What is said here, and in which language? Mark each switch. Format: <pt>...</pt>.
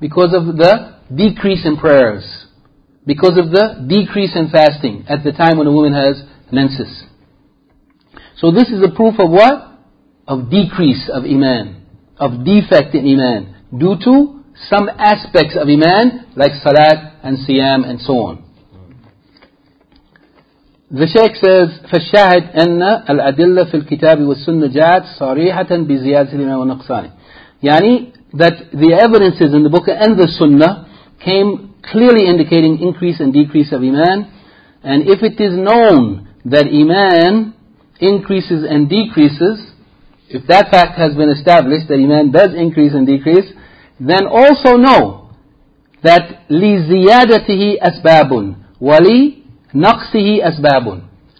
<en>Because of the decrease in prayers. Because of the decrease in fasting at the time when a woman has menses. So this is a proof of what? Of decrease of iman. Of defect in iman. Due to some aspects of iman like salat and siyam and so on. The Shaykh says,</en> <ar>فَالشَّاهِدْ أَنَّ الْأَدِلَّ فِي الْكِتَابِ وَالسُّنَّةِ جَاءَتْ صَرِيحَةً بِزِيَادَةِ الْإِيمَانِ وَالنَّقْصَانِ.</ar> <en>يعني, that the evidences in the book and the sunnah came clearly indicating increase and decrease of iman. And if it is known that iman increases and decreases, if that fact has been established, that iman does increase and decrease, then also know that</en> <ar>لِزِيَادَتِهِ أَسْبَابٌ وَلِنَقْصِهِ أَسْبَابٌ.</ar>